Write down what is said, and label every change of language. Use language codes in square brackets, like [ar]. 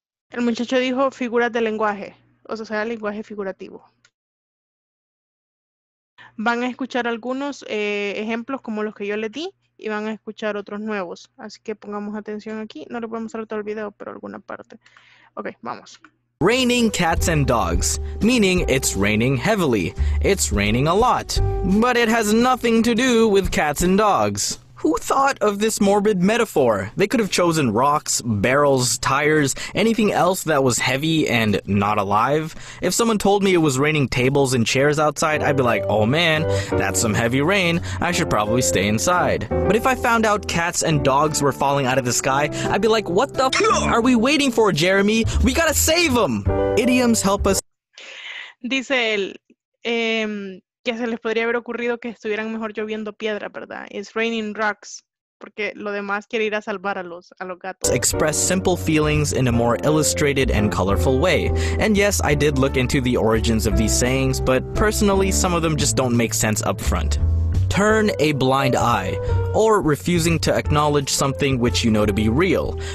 [es] El muchacho dijo figuras de lenguaje, o sea, lenguaje figurativo. Van a escuchar algunos ejemplos como los que yo le di y van a escuchar otros nuevos. Así que pongamos atención aquí. No le podemos mostrar todo el video, pero alguna parte. Ok, vamos. [en] Raining cats and dogs, meaning it's raining heavily. It's raining a lot, but it has nothing to do with cats and dogs. Who thought of this morbid metaphor? They could have chosen rocks, barrels, tires, anything else that was heavy and not alive. If someone told me it was raining tables and chairs outside, I'd be like, oh man, that's some heavy rain, I should probably stay inside. But if I found out cats and dogs were falling out of the sky, I'd be like, what the f*** are we waiting for, Jeremy? We gotta save them! Idioms help us. [es] Dice él, que se les podría haber ocurrido que estuvieran mejor lloviendo piedra, ¿verdad? [en] It's raining rocks, [es] porque lo demás quiere ir a salvar a los gatos. [en] Express simple feelings in a more illustrated and colorful way. And yes, I did look into the origins of these sayings, but personally, some of them just don't make sense up front. Turn a blind eye, or refusing to acknowledge something which you know to be real.